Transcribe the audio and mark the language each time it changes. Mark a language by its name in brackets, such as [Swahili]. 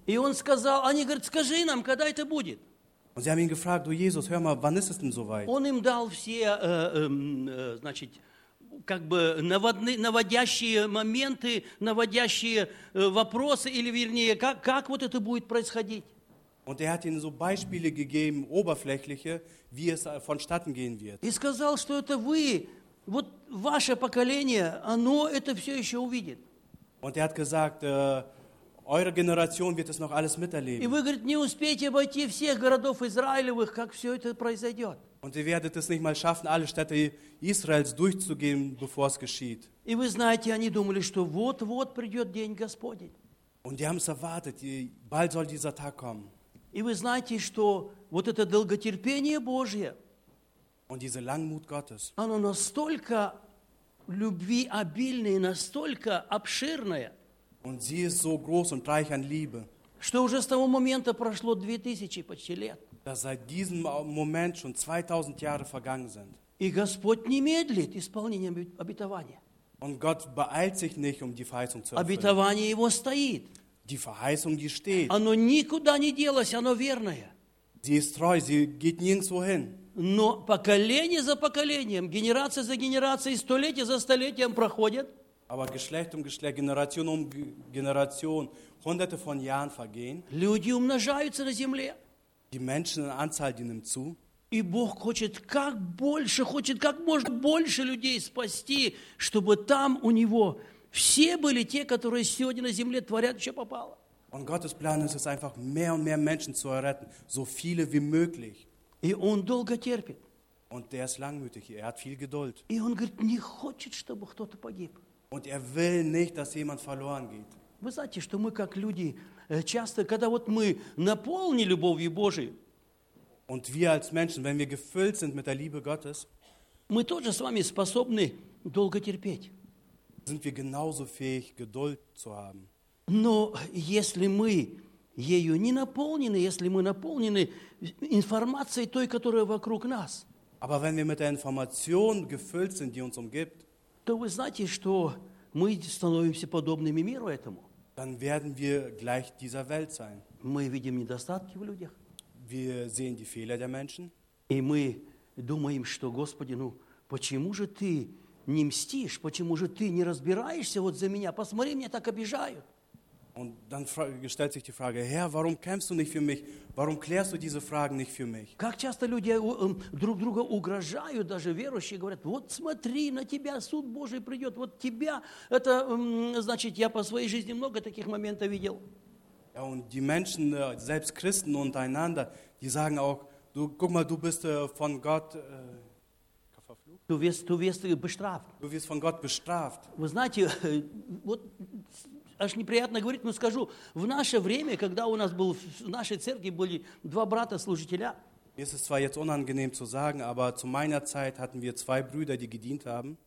[German] Und sie haben ihn gefragt, du Jesus, hör mal, wann ist es denn soweit? [Russian] Он им дал все, значит, как бы наводящие моменты, наводящие вопросы, или вернее, как вот это будет происходить. [German] Und hat ihnen so Beispiele gegeben, oberflächliche, wie es vonstatten gehen wird. [Russian] И сказал, что это вы, вот ваше поколение, оно это все еще увидит. [German] Und hat gesagt, eure Generation wird es noch alles miterleben. [Russian] И вы, говорит, не успеете обойти всех городов Израилевых, как все это произойдет. [German] Und ihr werdet es nicht mal schaffen, alle Städte Israels durchzugehen, bevor es geschieht. [Russian] И вы знаете, они думали, что вот-вот придет день Господень. [German] Und die haben es erwartet, bald soll dieser Tag kommen. [Russian] И вы знаете, что вот это долготерпение Божье, [German] und diese Langmut Gottes, [Russian] оно настолько любви обильное, настолько обширное, [German] und sie ist so groß und reich an Liebe, [Russian] что уже с того момента прошло 2000 почти лет. [German] Dass seit diesem Moment schon 2000 Jahre vergangen sind. [Russian] И Господь не медлит исполнением обетования. [German] Und Gott beeilt sich nicht, um die Verheißung zu erfüllen. [Russian] Обетование его стоит. [German] Die Verheißung, die steht. [Russian] Оно никуда не делось, оно верное. [German] Sie ist treu, sie geht nirgendwo hin. [Russian] Но поколение за поколением, генерация за генерацией, столетие за столетием проходят. [German] Aber Geschlecht um Geschlecht, Generation um Generation, hunderte von Jahren vergehen. [Russian] Люди умножаются на земле. [German] Die Menschen in Anzahl, die nimmt zu. [Russian] И Бог хочет как можно больше людей спасти, чтобы там у него все были те, которые сегодня на земле творят, что попало. [German] Und Gottes Plan ist es einfach, mehr und mehr Menschen zu erretten, so viele wie möglich. [Russian] И он долго терпит. [German] Und ist langmütig, hat viel Geduld. [Russian] И он говорит, не хочет, чтобы кто-то погиб. [German] Und will nicht, dass jemand verloren geht. [Russian] Вы знаете, что мы как люди часто, когда вот мы наполнены любовью Божией, [German] und wir als Menschen, wenn wir gefüllt sind mit der Liebe Gottes, [Russian] мы тоже с вами способны долго терпеть. [German] Sind wir genauso fähig, Geduld zu haben. [Russian] Но если мы ею не наполнены, если мы наполнены информацией той, которая вокруг нас, [German] aber wenn wir mit der Information gefüllt sind, die uns umgibt, [Russian] то вы знаете, что мы становимся подобными миру этому. [German] Dann werden wir gleich dieser Welt sein. [Russian] Мы видим недостатки в людях. [German] Wir sehen die Fehler der Menschen. [Russian] И мы думаем, что, Господи, ну почему же ты не мстишь, почему же ты не разбираешься вот за меня? Посмотри, меня так обижают. [German] Und dann stellt sich die Frage, Herr, warum kämpfst du nicht für mich? Warum klärst du diese Fragen nicht für mich? [Russian] Как часто люди друг друга угрожают, даже верующие говорят, вот смотри, на тебя суд Божий придет, вот тебя, это значит, я по своей жизни много таких моментов видел. [German] Ja, und die Menschen, selbst Christen untereinander, die sagen auch, du, guck mal, du bist von Gott du wirst bestraft. Du wirst von Gott bestraft. [Russian] Вы знаете, вот аж неприятно говорить, но скажу, в наше время, когда у нас был, в нашей церкви были два брата-служителя, [German] mir ist es zwar jetzt unangenehm zu sagen, aber zu meiner Zeit hatten wir zwei Brüder, die gedient haben.